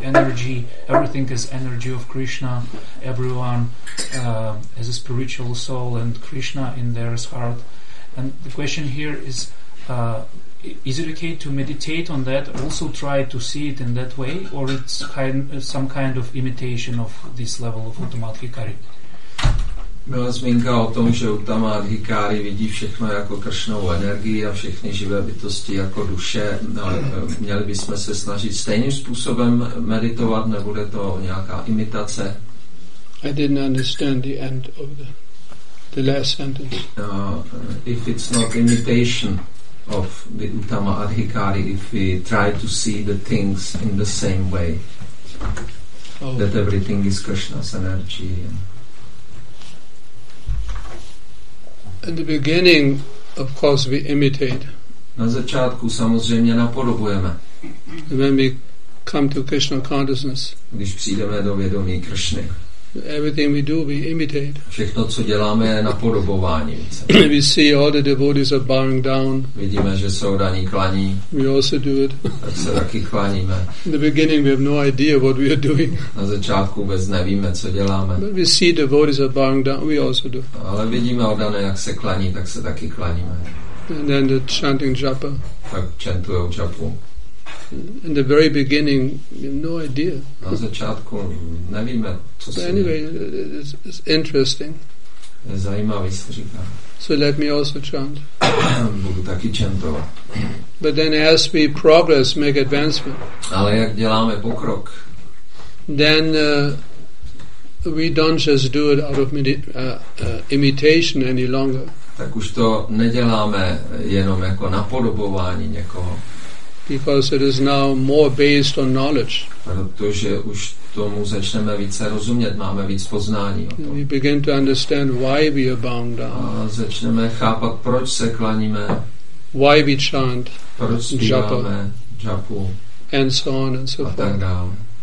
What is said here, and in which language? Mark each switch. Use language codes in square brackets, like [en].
[en] Energy, everything is energy of Krishna, everyone has a spiritual soul and Krishna in their heart. And the question here is it okay to meditate on that, also try to see it in that way, or it's some kind of imitation of this level of Uttamadhikari? [cs] Byla zmínka o tom, že Uttamadhikari vidí všechno jako Kršnovou energii a všechny živé bytosti jako duše. Měli bychom se snažit stejným způsobem meditovat, nebude to nějaká imitace? [en] I didn't understand the end of the last sentence. If it's not imitation of the Uttamadhikari, if we try to see the things in the same way. that everything is Krishna's energy. In the beginning, of course, we imitate. [cs] Na začátku samozřejmě napodobujeme. [en] And when we come to Krishna consciousness, [cs] když přijdeme do vědomí Krishny, [en] everything we do, we imitate. [cs] Všechno, co děláme, je napodobování. [en] We see all the devotees are bowing down. [cs] Vidíme, že se oddaní klaní. [en] We also do it. [cs] Tak se taky kláníme. [en] In the beginning, we have no idea what we are doing. [cs] Na začátku vůbec nevíme, co děláme. [en] But we see devotees are bowing down. We also do. [cs] Ale vidíme oddané, jak se klaní, tak se taky kláníme. [en] And then the chanting japa. [cs] Tak chantujou japu. [en] In the very beginning, we have no idea. [cs] Na začátku nevíme, co se. [en] Anyway, it's interesting. [cs] Je zajímavý, co říká. [en] So let me also chant. [cs] Budu taky chantovat. [en] But then, as we progress, make advancement. [cs] Ale jak děláme pokrok? [en] Then we don't just do it out of imitation any longer. [cs] Tak už to neděláme jenom jako napodobování někoho. [en] Because it is now more based on knowledge. [cs] Protože už tomu začneme více rozumět, máme víc poznání o tom. [en] We begin to understand why we are bound down. [cs] A začneme chápat, proč se klaníme. [en] Why we chant. [cs] Proč zpíváme japu. [en] And so on and so forth. [cs] A tak dál.